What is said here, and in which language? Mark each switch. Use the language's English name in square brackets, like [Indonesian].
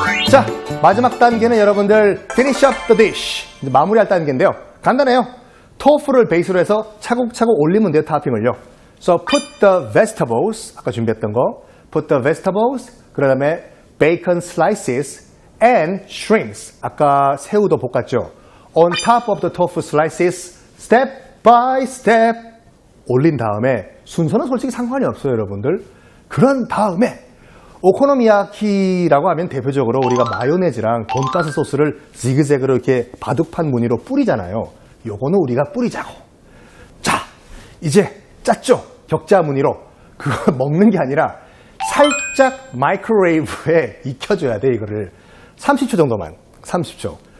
[Korean] 자, 마지막 단계는 여러분들 [English] finish up the dish. [Korean] 이제 마무리할 단계인데요. 간단해요. 토프를 베이스로 해서 차곡차곡 올리면 돼요, 토핑을요. [English] So put the vegetables, [Korean] 아까 준비했던 거. [English] Put the vegetables, [Korean] 그 다음에 [English] bacon slices and shrimps. [Korean] 아까 새우도 볶았죠. [English] On top of the tofu slices, step by step [Korean] 올린 다음에 순서는 솔직히 상관이 없어요, 여러분들. 그런 다음에 오코노미야키라고 하면 대표적으로 우리가 마요네즈랑 돈가스 소스를 지그재그로 이렇게 바둑판 무늬로 뿌리잖아요. 요거는 우리가 뿌리자고. 자, 이제 짰죠? 격자 무늬로. 그거 먹는 게 아니라 살짝 마이크로웨이브에 익혀줘야 돼, 이거를. 30초 정도만. 30초.